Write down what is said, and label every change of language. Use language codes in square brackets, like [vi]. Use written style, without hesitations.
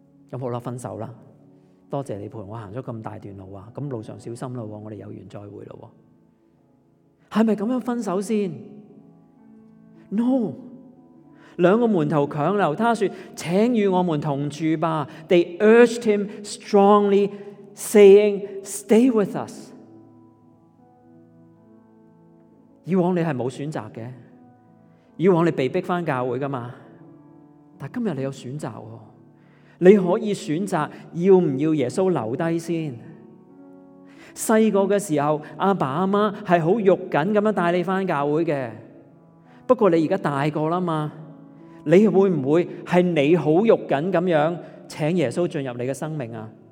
[yue] 那好了，分手了，多谢你陪我行了这么大段路，那路上小心了，我们有缘再会了。是不是这样分手先？No， 两个门徒强留他说，请与我们同住吧。 [en] They urged him strongly saying stay with us。 [yue] 以往你是没有选择的，以往你被逼回教会的嘛，但今天你有选择，你可以选择要不要耶稣留下先。小的时候阿爸阿妈是很肉紧地带你回教会的，不过你现在大个了嘛，你会不会是你好肉紧这样请耶稣进入你的生命啊？